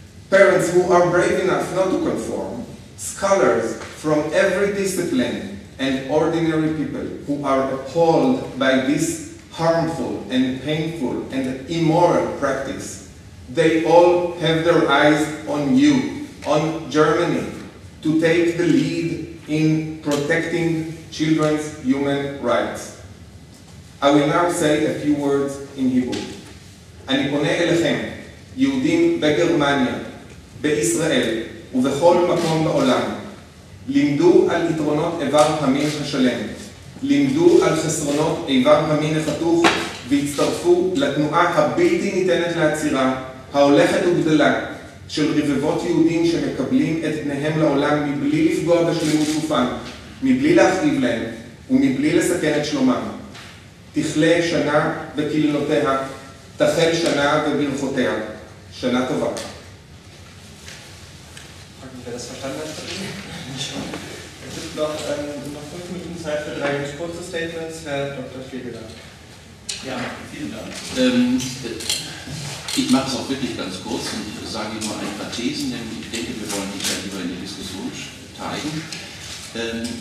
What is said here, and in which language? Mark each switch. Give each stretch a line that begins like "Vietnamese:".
English: parents who are brave enough not to conform, scholars from every discipline and ordinary people who are appalled by this harmful and painful and immoral practice, they all have their eyes on you, on Germany, to take the lead in protecting children's human rights. I will now say a few words in Hebrew.
Hebrew: אני פונה אליכם, יהודים בגרמניה, בישראל ובכל מקום בעולם. לימדו על יתרונות איבר המין השלם. לימדו על חסרונות איבר המין החתוך והצטרפו לתנועה הבלתי ניתנת לעצירה, ההולכת וגדלה של רבבות יהודים שמקבלים את בניהם לעולם מבלי לפגוע בשלמות גופם, מבלי להכאיב להם ומבלי לסכן את שלומם. תכלה שנה וקללותיה, תחל שנה וברכותיה. שנה טובה.
German: Wer das verstanden hat, es gibt noch 5 Minuten Zeit für 3 kurze Statements. Herr Dr. Schlegeler. Ja, vielen Dank. Ich mache es auch wirklich ganz kurz und sage nur ein paar Thesen, denn ich denke, wir wollen die ja lieber in die Diskussion teilen.